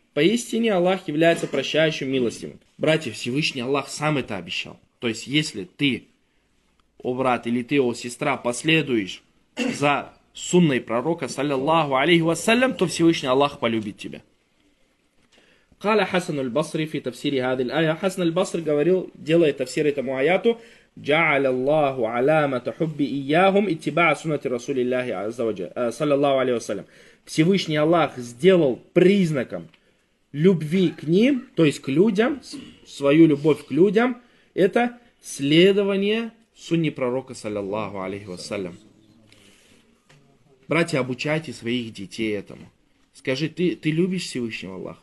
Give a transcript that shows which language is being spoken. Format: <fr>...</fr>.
<ru>Поистине Аллах является прощающим, милостивым. Братья, Всевышний Аллах сам это обещал. То есть, если ты, о брат, или ты, о сестра, последуешь за сунной пророка, саллиллаху алейхи вассалям, то Всевышний Аллах полюбит тебя.</ru> <ar>قال حسن البصري في تفسير هذه الآية حسن البصري</ar> <ru>говорил, делая</ru> <ar>تفسير</ar> <ru>этому аяту,</ru> <ar>جعل الله علامة حب إياهم اتباع سنة رسول الله عز وجل صلى الله عليه وسلم.</ar> <ru>Всевышний Аллах сделал признаком любви к ним, то есть к людям, свою любовь к людям, это следование сунне пророка, саллиллаху алейхи вассалям. Братья, обучайте своих детей этому. Скажи, ты любишь Всевышнего Аллаха?</ru>